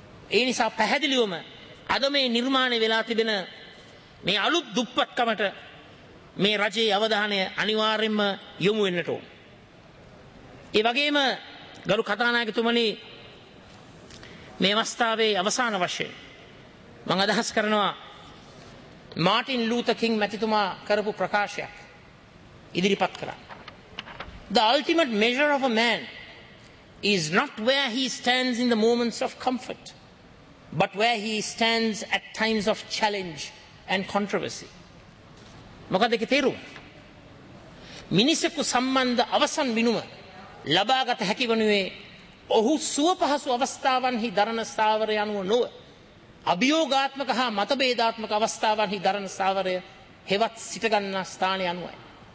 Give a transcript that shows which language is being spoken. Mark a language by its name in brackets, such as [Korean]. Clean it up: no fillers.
[Sinhala] ඒ නිසා පැහැදිලිවම අද මේ නිර්මාණය වෙලා තිබෙන මේ අලුත් දුප්පත්කමට මේ රජයේ අවධානය අනිවාර්යයෙන්ම යොමු වෙන්නට ඕන. ඒ වගේම ගරු කථානායකතුමනි, මේ අවස්ථාවේ අවසාන වශයෙන් මම අදහස් කරනවා මාටින් ලූතර් කිං මැතිතුමා කරපු ප්‍රකාශයක් ඉදිරිපත් කරා. [English] The ultimate measure of a man is not where he stands in the moments of comfort, but where he stands at times of challenge and controversy. [Sinhala] මොකද ඒක තේරුම්? මිනිසෙකු සම්බන්ධ අවසන් විනුම ලබාගත හැකි වනුයේ ඔහු සුවපහසු අවස්ථාවන්හි දරණ ස්ථාවරය අනුව නොව, අභියෝගාත්මක හා මතභේදාත්මක අවස්ථාවන්හි දරණ ස්ථාවරය හෙවත් සිටගන්නා ස්ථානය අනුවයි.